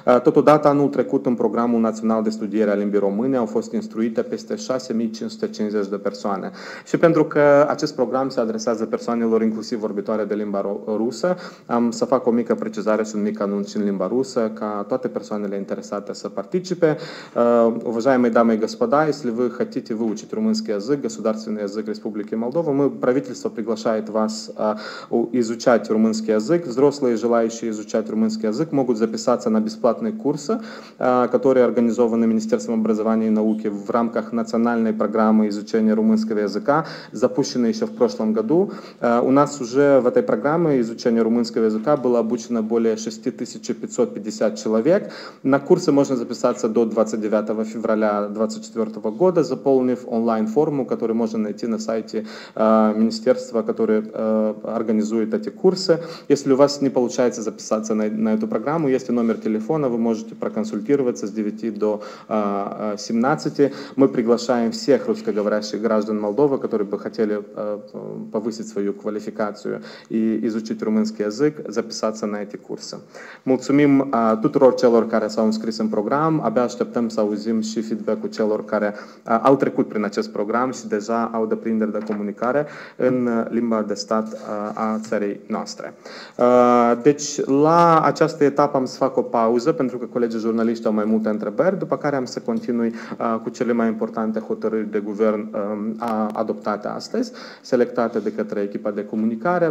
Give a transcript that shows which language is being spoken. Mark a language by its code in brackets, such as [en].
[ro] Totodată, anul trecut, în Programul Național de Studiere a Limbii Române au fost instruite peste 6550 de persoane. Și pentru că acest program se adresează persoanelor inclusiv vorbitoare de limba rusă, am să fac o mică precizare și un mic anunț în limba rusă, ca toate persoanele интересата са партичипе. [ru] Уважаемые дамы и господа, если вы хотите выучить румынский язык, государственный язык Республики Молдова, мы, правительство приглашает вас изучать румынский язык. Взрослые, желающие изучать румынский язык, могут записаться на бесплатные курсы, которые организованы Министерством образования и науки в рамках национальной программы изучения румынского языка, запущенной еще в прошлом году. У нас уже в этой программе изучения румынского языка было обучено более 6550 человек. На курсы можно записаться до 29 февраля 2024 года, заполнив онлайн-форму, которую можно найти на сайте министерства, которое организует эти курсы. Если у вас не получается записаться на эту программу, есть номер телефона, вы можете проконсультироваться с 9 до 17. Мы приглашаем всех русскоговорящих граждан Молдовы, которые бы хотели повысить свою квалификацию и изучить румынский язык, записаться на эти курсы. [ro] Mulțumim tuturor celor care s-au înscris în program. Abia așteptăm să auzim și feedback-ul celor care au trecut prin acest program și deja au deprinderi de comunicare în limba de stat a țării noastre. Deci, la această etapă am să fac o pauză pentru că colegii jurnaliști au mai multe întrebări, după care am să continui cu cele mai importante hotărâri de guvern adoptate astăzi, selectate de către echipa de comunicare.